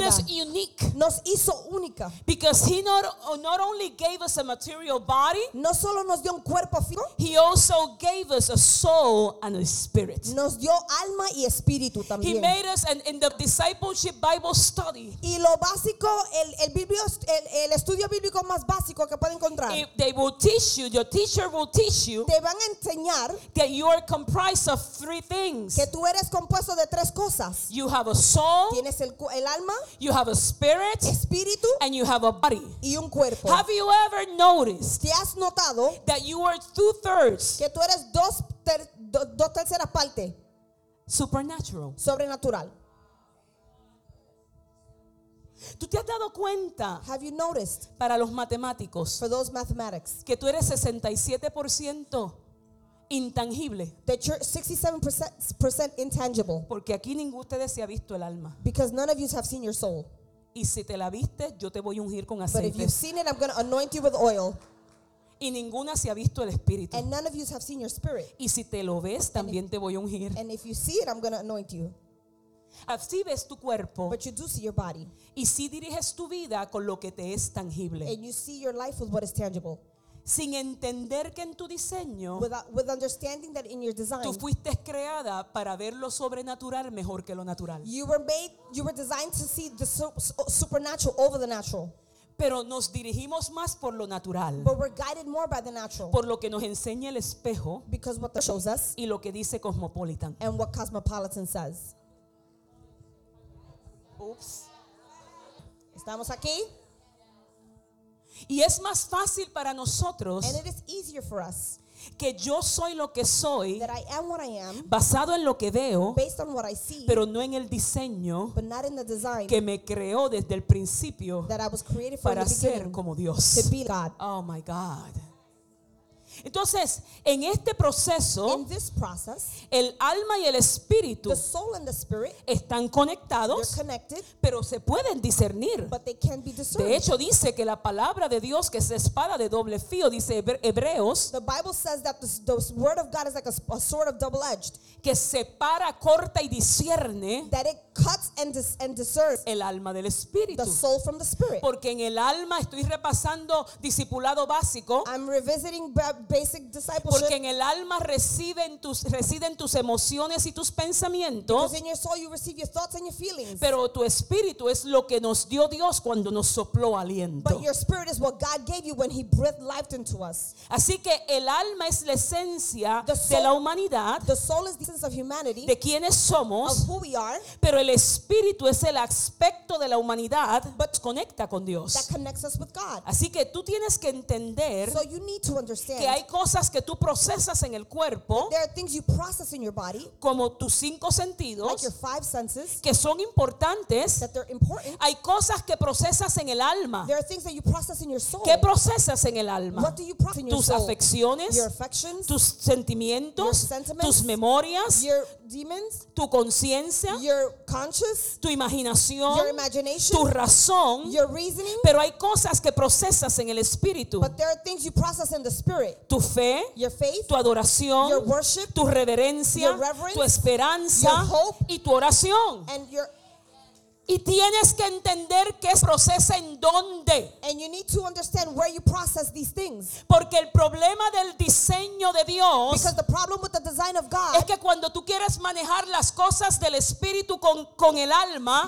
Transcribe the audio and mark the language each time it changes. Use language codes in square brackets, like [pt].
[en] made us unique. [es] Nos hizo única. [en] Because he not only gave us a material body, [es] no solo nos dio un cuerpo físico, [en] he also gave us a soul and a spirit. [es] Nos dio alma y espíritu también. [en] He made us in the discipleship Bible study. [es] Y lo básico, el estudio bíblico más básico que puede encontrar. [en] If they will teach you, your teacher will teach you. [es] Te van a enseñar [en] that you are comprised of three things. [es] Que tú eres compuesto de tres cosas. [en] You have a soul. [es] Tienes el alma. [en] You have a spirit. [es] Espíritu. [en] And you have a body. [es] Y un cuerpo. [en] Have you ever noticed? [es] ¿Te has notado? [en] That you are two thirds. [es] Que tú eres dos terceras partes. [en] Supernatural. [es] Sobrenatural. ¿Tú te has dado cuenta? [en] Have you noticed? [es] Para los matemáticos. [en] For those mathematics. [es] Que tú eres 67% intangible. [en] That you're 67% intangible. [es] Porque aquí ninguno de ustedes se ha visto el alma. [en] Because none of you have seen your soul. [es] Y si te la viste, yo te voy a ungir con aceite. [en] But if you've seen it, I'm going to anoint you with oil. [es] Y ninguna se ha visto el espíritu. [en] And none of you have seen your spirit. [es] Y si te lo ves, también te voy a ungir. [en] And if you see it, I'm going to anoint you. [es] Así ves tu cuerpo. [en] But you do see your body. [es] Y si diriges tu vida con lo que te es tangible. [en] And you see your life with what is tangible. [es] Sin entender que en tu diseño, [en] with understanding that in your design, [es] tú fuiste creada para ver lo sobrenatural mejor que lo natural. [en] You were designed to see the supernatural over the natural. [es] Pero nos dirigimos más por lo natural. [en] But we're guided more by the natural. [es] Por lo que nos enseña el espejo. [en] Because what the shows us. [es] Y lo que dice Cosmopolitan. [en] And what Cosmopolitan says. Oops. [es] Estamos aquí. Y es más fácil para nosotros. [en] And it is easier for us. [es] Que yo soy lo que soy. [en] That I am what I am. [es] Basado en lo que veo. [en] Based on what I see. [es] Pero no en el diseño. [en] But not in the design. [es] Que me creó desde el principio. [en] That I was created from [es] para [en] the beginning. [es] Para ser como Dios. [en] To be God. Oh my God. [es] Entonces, en este proceso. [en] In this process. [es] El alma y el espíritu. [en] The soul and the spirit. [es] Están conectados. [en] They're connected. [es] Pero se pueden discernir. [en] But they can be discerned. [es] De hecho, dice que la palabra de Dios, que es espada de doble filo, dice Hebreos. [en] The Bible says that the word of God is like a sword of double-edged. [es] Que separa, corta y discierne. [en] That it cuts and discerns. [es] El alma del espíritu. [en] The soul from the spirit. [es] Porque en el alma estoy repasando discipulado básico. [en] I'm revisiting basic discipleship. [es] Porque en el alma reside en tus emociones y tus pensamientos. [en] Because in your soul you receive your thoughts and your feelings. [es] Pero tu espíritu es lo que nos dio Dios cuando nos sopló aliento. [en] But your spirit is what God gave you when he breathed life into us. [es] Así que el alma es la esencia de la humanidad. [en] The soul is the essence of humanity. [es] De quienes somos. [en] Of who we are. [es] Pero el espíritu es el aspecto de la humanidad que conecta con Dios. [en] That connects us with God. [es] Así que tú tienes que entender. [en] So you need to understand. [es] Que hay cosas que tú procesas en el cuerpo, [en] there are things you process in your body, [es] como tus cinco sentidos, [en] like your five senses, [es] que son importantes, [en] that they're important. [es] Hay cosas que procesas en el alma, [en] there are things that you process in your soul. [es] ¿Qué procesas en el alma? [en] What do you process in your [es] tus [en] soul? [es] Afecciones, [en] your affections, [es] tus sentimientos, [en] your sentiments, [es] tus memorias, [en] your demons, [es] tu conciencia, [en] your conscience, [es] tu imaginación, [en] your imagination, [es] tu razón, [en] your reasoning. [es] Pero hay cosas que procesas en el espíritu, [en] but there are things you process in the spirit. [es] Tu fe, [en] your faith, [es] tu adoración, [en] your worship, [es] tu reverencia, [en] your reverence, [es] tu esperanza, [en] your hope, [es] y tu oración. [en] And your, [es] y tienes que entender qué procesa en dónde. [en] And you need to understand where you process these things. [es] Porque el problema del diseño de Dios, [en] because the problem with the design of God, [es] es que cuando tú quieres manejar las cosas del espíritu con el alma,